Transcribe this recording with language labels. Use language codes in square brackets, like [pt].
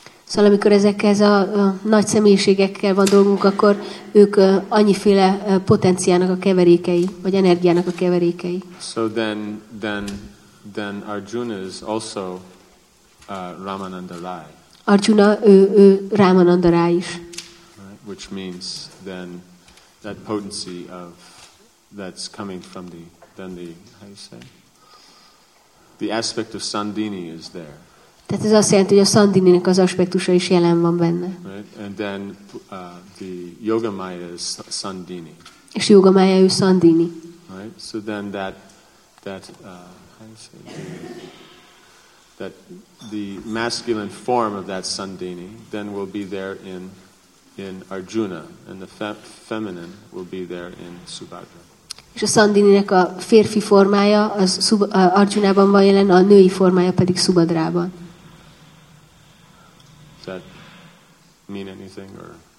[hu] Szóval amikor ezekhez a nagy személyiségekkel van dolgunk, akkor ők annyiféle potenciának a keverékei, vagy energiának a keverékei. [en] So then Arjuna is also Ramananda Rai. [hu] Arjuna ő Ramananda Rai is. [en] Right? Which means then that potency of that's coming from the how you say the aspect of Sandini is there. [hu] Tehát ez azt jelenti, hogy a Sandininek az aspektusa is jelen van benne. [en] Right? And then the Yoga Maya is Sandini. [hu] És Yoga Maya ő Sandini. [en] Right? So then that how you say that the masculine form of that Sandini then will be there in Arjuna, and the feminine will be there in Subhadra. [hu] És a Sandininek a férfi formája az Arjunában van jelen, a női formája pedig Subhadrában. [en] Does that mean anything, or?